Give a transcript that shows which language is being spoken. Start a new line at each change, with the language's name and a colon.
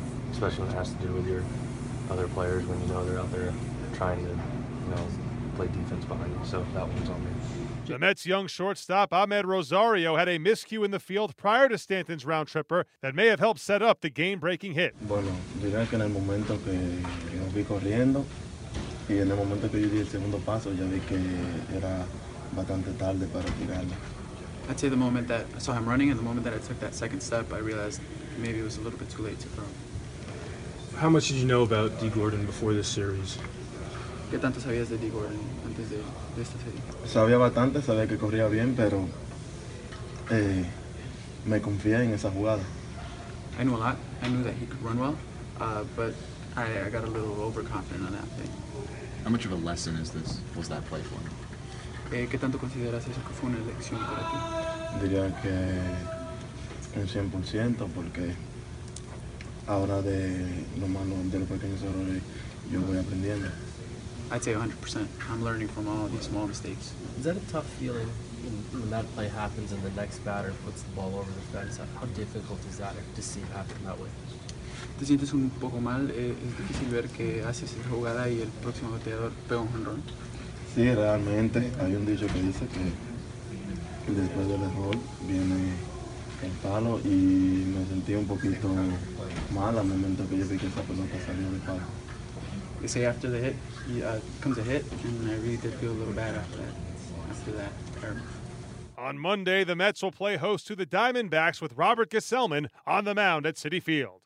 English: Especially when it has to do with your other players, when you know they're out there trying to, you know, play defense behind you. So that one's on me. The Mets' young shortstop, Ahmed Rosario, had a miscue in the field prior to Stanton's round tripper that may have helped set up the game-breaking hit.
Spanish: Bueno, diría que en el momento que yo vi corriendo, y en el momento que yo di el segundo paso, ya vi que era bastante tarde para tirarlo.
English: I'd say the moment that I saw him running and the moment that I took that second step, I realized maybe it was a little bit too late to throw. How much did you know about D. Gordon before this series?
Spanish: ¿Qué tanto sabías de D. Gordon antes de esta serie? Sabía bastante, sabía que corría bien, pero me confié en esa jugada.
English: I knew a lot. I knew that he could run well, but I got a little overconfident on that thing. How much of a lesson is this? Was that play for him?
Spanish: ¿Qué tanto consideras eso que fue una lección para ti? Diría que un 100%, porque ahora de lo malo, de los pequeños errores, yo voy aprendiendo.
English: I'd say 100%. I'm learning from all these small mistakes. Is that a tough feeling when that play happens and the next batter puts the ball over the fence? How difficult is that to see happen that way?
Spanish: ¿Te sientes un poco mal? ¿Es difícil ver que haces esa jugada y el próximo bateador pega un jonrón? Sí, realmente hay un dicho que dice que después del error viene el palo, y me sentí un poquito mal al momento que yo vi que esa pelota salió del palo.
English: They say after the hit, comes a hit, and I really did feel a little bad after that error. On Monday, the Mets will play host to the Diamondbacks with Robert Gsellman on the mound at Citi Field.